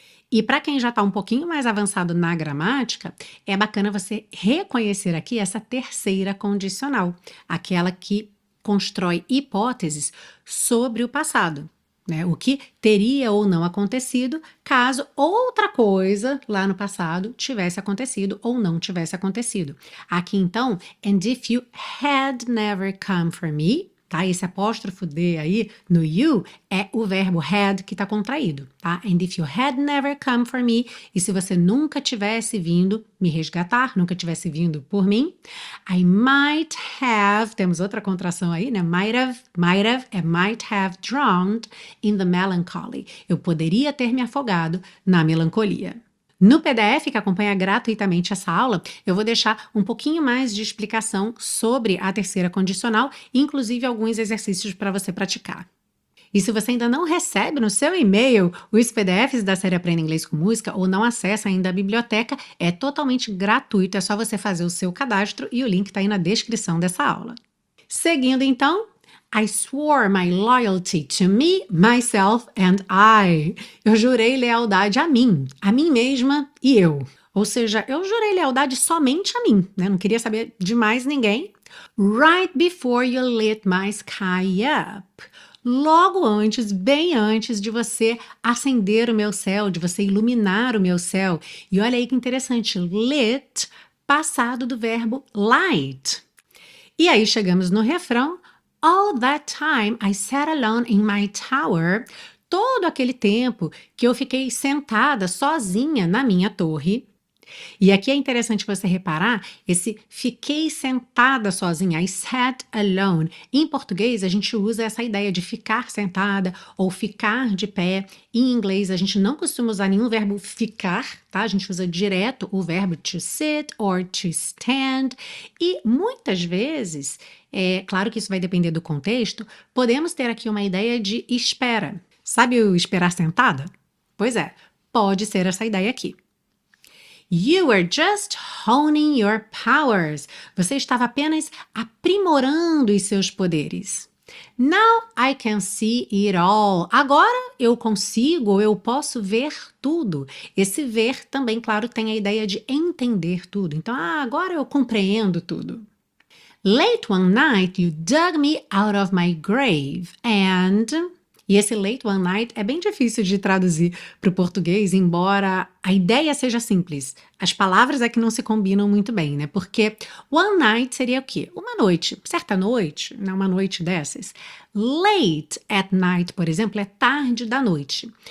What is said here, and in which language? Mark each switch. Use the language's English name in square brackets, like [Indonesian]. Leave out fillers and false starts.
[Portuguese] E para quem já está um pouquinho mais avançado na gramática, é bacana você reconhecer aqui essa terceira condicional, aquela que constrói hipóteses sobre o passado, né? O que teria ou não acontecido caso outra coisa lá no passado tivesse acontecido ou não tivesse acontecido. Aqui então, [English] and if you had never come for me, tá? [Portuguese] Esse apóstrofo D aí no you é o verbo had que está contraído, tá? [English] And if you had never come for me, [Portuguese] e se você nunca tivesse vindo me resgatar, nunca tivesse vindo por mim, [English] I might have, [Portuguese] temos outra contração aí, né? [English] Might have drowned in the melancholy. [Portuguese] Eu poderia ter me afogado na melancolia. No PDF que acompanha gratuitamente essa aula, eu vou deixar um pouquinho mais de explicação sobre a terceira condicional, inclusive alguns exercícios para você praticar. E se você ainda não recebe no seu e-mail os PDFs da série Aprenda Inglês com Música ou não acessa ainda a biblioteca, é totalmente gratuito, é só você fazer o seu cadastro e o link está aí na descrição dessa aula. Seguindo então, [English] I swore my loyalty to me, myself and I. [Portuguese] Eu jurei lealdade a mim mesma e eu. Ou seja, eu jurei lealdade somente a mim, né? Não queria saber de mais ninguém. [English] Right before you lit my sky up. [Portuguese] Logo antes, bem antes de você acender o meu céu, de você iluminar o meu céu. E olha aí que interessante, lit, passado do verbo light. E aí chegamos no refrão. [English] All that time I sat alone in my tower, [Portuguese] todo aquele tempo que eu fiquei sentada sozinha na minha torre. E aqui é interessante você reparar esse fiquei sentada sozinha, [English] I sat alone. [Portuguese] Em português, a gente usa essa ideia de ficar sentada ou ficar de pé. Em inglês, a gente não costuma usar nenhum verbo ficar, tá? A gente usa direto o verbo [English] to sit or to stand. [Portuguese] E muitas vezes, é claro que isso vai depender do contexto, podemos ter aqui uma ideia de espera. Sabe o esperar sentada? Pois é, pode ser essa ideia aqui. [English] You were just honing your powers. [Portuguese] Você estava apenas aprimorando os seus poderes. [English] Now I can see it all. [Portuguese] Agora eu consigo, eu posso ver tudo. Esse ver também, claro, tem a ideia de entender tudo. Então, agora eu compreendo tudo. [English] Late one night you dug me out of my grave and. [Portuguese] E esse [English] late one night [Portuguese] é bem difícil de traduzir para o português, embora a ideia seja simples. As palavras é que não se combinam muito bem, né? Porque one night seria o quê? Uma noite, certa noite, né? Uma noite dessas. [English] Late at night, [Portuguese] por exemplo, é tarde da noite.